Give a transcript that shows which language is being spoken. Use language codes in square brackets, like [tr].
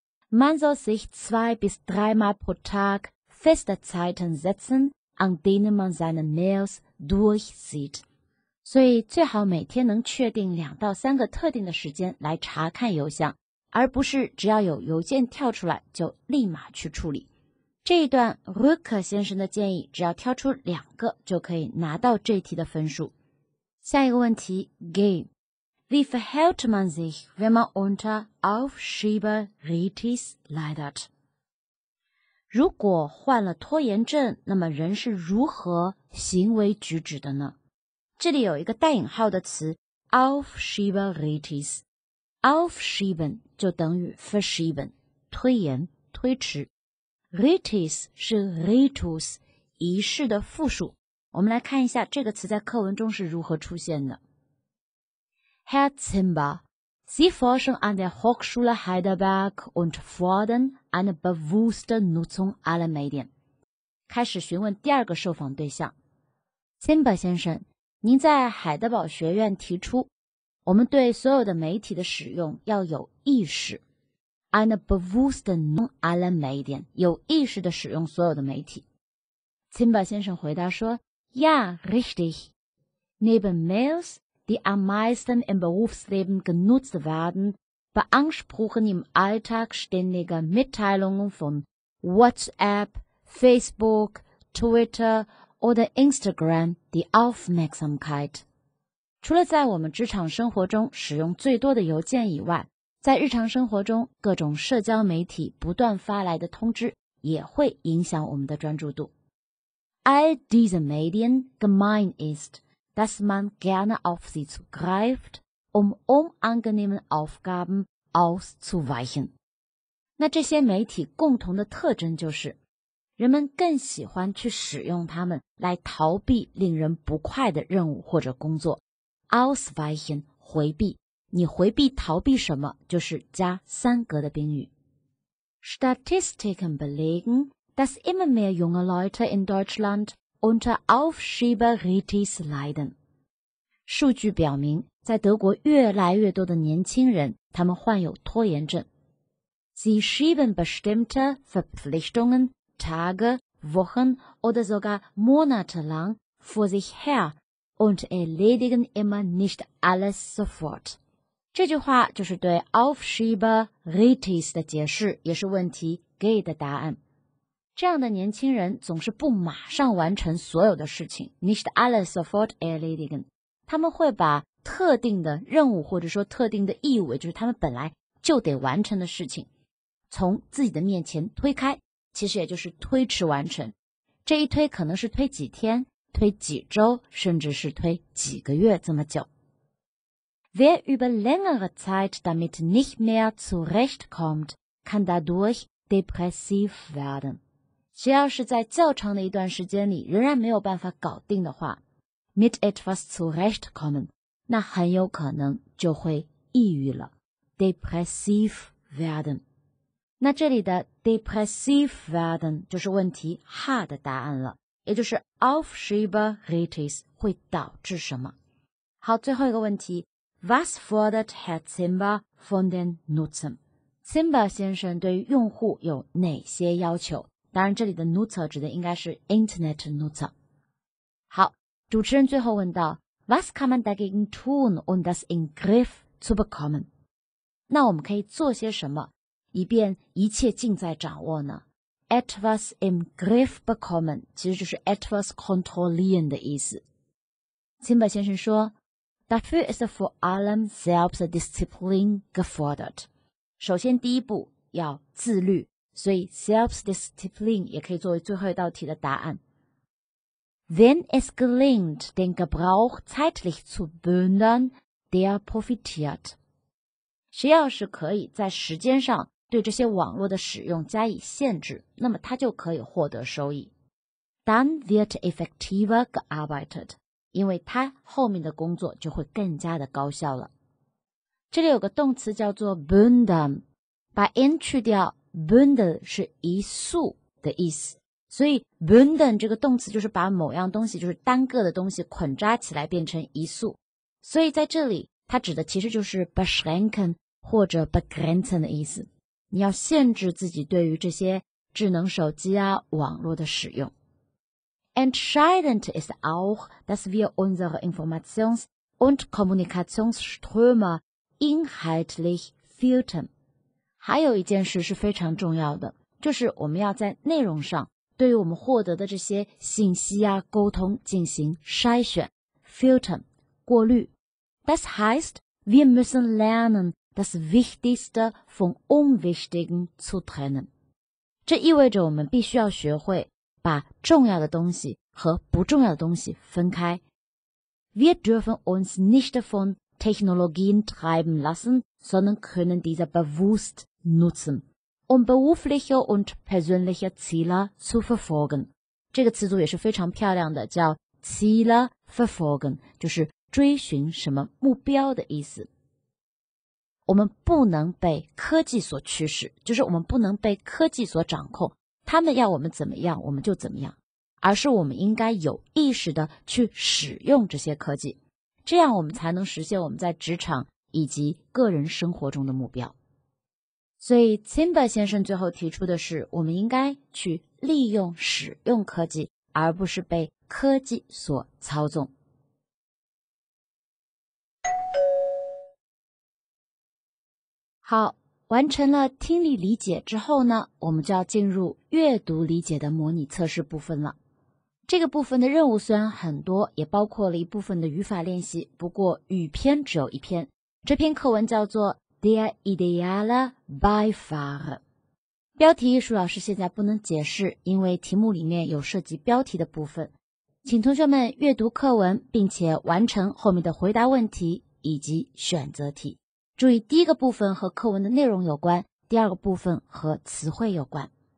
[de] Man soll sich zwei bis dreimal pro Tag feste Zeiten setzen, an denen man seine Mails durchsieht. [zh] 所以最好每天能确定两到三个特定的时间来查看邮箱，而不是只要有邮件跳出来就立马去处理。这一段 Rücker 先生的建议只要挑出两个就可以拿到这题的分数。下一个问题 [de] Game Wie verhält man sich, wenn man unter Aufschieberitis leidet? [zh] 如果患了拖延症，那么人是如何行为举止的呢？这里有一个带引号的词 Aufschieberitis， Aufschieben 就等于 verschieben， 推延、推迟。 Ritus 是 ritus，仪式的复数。我们来看一下这个词在课文中是如何出现的。 [de] Herr Zimmer, Sie forschen an der Hochschule Heidelberg und fordern eine bewusste Nutzung aller Medien。 [zh] 开始询问第二个受访对象。Zimmer 先生，您在海德堡学院提出，我们对所有的媒体的使用要有意识。 [de] Eine bewusste Nutzung aller Medien， [zh] 有意识地使用所有的媒体。 Zimba 先生回答说 [de] Ja, richtig. Neben Mails, die am meisten im Berufsleben genutzt werden, beanspruchen im Alltag ständige Mitteilungen von WhatsApp, Facebook, Twitter oder Instagram die Aufmerksamkeit. [zh] 除了在我们职场生活中使用最多的邮件以外，在日常生活中，各种社交媒体不断发来的通知也会影响我们的专注度。 [de] All diese Medien gemein ist, dass man gerne auf sie zugreift, um unangenehmen Aufgaben auszuweichen. [zh] 那这些媒体共同的特征就是人们更喜欢去使用它们来逃避令人不快的任务或者工作。 Ausweichen, 回避。你回避逃避什么就是加三格的宾语。 [de] Statistiken belegen, dass immer mehr junge Leute in Deutschland unter Aufschieberitis leiden. [zh] 数据表明在德国越来越多的年轻人他们患有拖延症。 [de] Sie schieben bestimmte Verpflichtungen Tage, Wochen oder sogar Monate lang vor sich her und erledigen immer nicht alles sofort. [zh] 这句话就是对 Aufschieberitis 的解释，也是问题给的答案。这样的年轻人总是不马上完成所有的事情 , [de] nicht alles sofort erledigen. [zh] 他们会把特定的任务或者说特定的义务，也就是他们本来就得完成的事情从自己的面前推开，其实也就是推迟完成。这一推可能是推几天，推几周，甚至是推几个月这么久。 [de] Wer über längere Zeit damit nicht mehr zurechtkommt, kann dadurch depressiv werden. [zh] 谁要是在较长的一段时间里仍然没有办法搞定的话 [de] ,mit etwas zurechtkommen, [zh] 那很有可能就会抑郁了。 [de] depressiv werden。 [zh] 那这里的 [de] depressiv werden [zh] 就是问题 ha 的答案了，也就是 Aufschieberitis 会导致什么。好，最后一个问题， [de] Was fordert Herr Zimmer von den Nutzern? [zh] Zimmer 先生对于用户有哪些要求？当然这里的 Nutzer 指的应该是 Internet Nutzer。好，主持人最后问道， [de] Was kann man dagegen tun, um das in Griff zu bekommen? [zh] 那我们可以做些什么以便一切尽在掌握呢？ [de] etwas im Griff bekommen [zh] 其实就是 [de] etwas kontrollieren [zh] 的意思。 Zimmer 先生说， [de] dafür ist vor allem Selbstdisziplin gefordert。 [zh] 首先第一步要自律，所以 Selbstdisziplin 也可以作为最后一道题的答案。 [de] Wenn es gelingt, den Gebrauch zeitlich zu bündeln, der profitiert。 [zh] 谁要是可以在时间上对这些网络的使用加以限制，那么他就可以获得收益。 [de] Dann wird effektiver gearbeitet, [zh] 因为他后面的工作就会更加的高效了。这里有个动词叫做 bündeln, 把 n 去掉 ,bündel 是一束的意思。所以 bündeln 这个动词就是把某样东西就是单个的东西捆扎起来变成一束。所以在这里它指的其实就是 beschränken 或者 begrenzen 的意思，你要限制自己对于这些智能手机啊网络的使用。 [de] Entscheidend ist auch, dass wir unsere Informations- und Kommunikationsströme inhaltlich filtern. [zh] 还有一件事是非常重要的，就是我们要在内容上对于我们获得的这些信息啊沟通进行筛选 filtern 过滤。 [de] Das heißt, wir müssen lernen, das Wichtigste vom Unwichtigen zu trennen. [zh] 这意味着我们必须要学会把重要的东西和不重要的东西分开。 [de] Wir dürfen uns nicht von Technologien treiben lassen, sondern können diese bewusst nutzen, um berufliche und persönliche Ziele zu verfolgen. [zh] 这个词组也是非常漂亮的，叫 [de] Ziele verfolgen, [zh] 就是追寻什么目标的意思。我们不能被科技所驱使，就是我们不能被科技所掌控，他们要我们怎么样我们就怎么样，而是我们应该有意识的去使用这些科技，这样我们才能实现我们在职场以及个人生活中的目标。所以 Zimmer 先生最后提出的是我们应该去利用使用科技，而不是被科技所操纵。好，完成了听力理解之后呢，我们就要进入阅读理解的模拟测试部分了。这个部分的任务虽然很多，也包括了一部分的语法练习，不过语篇只有一篇。这篇课文叫做 Der ideale Beifahrer。标题舒老师现在不能解释，因为题目里面有涉及标题的部分。请同学们阅读课文，并且完成后面的回答问题以及选择题。注意第一个部分和课文的内容有关，第二个部分和词汇有关。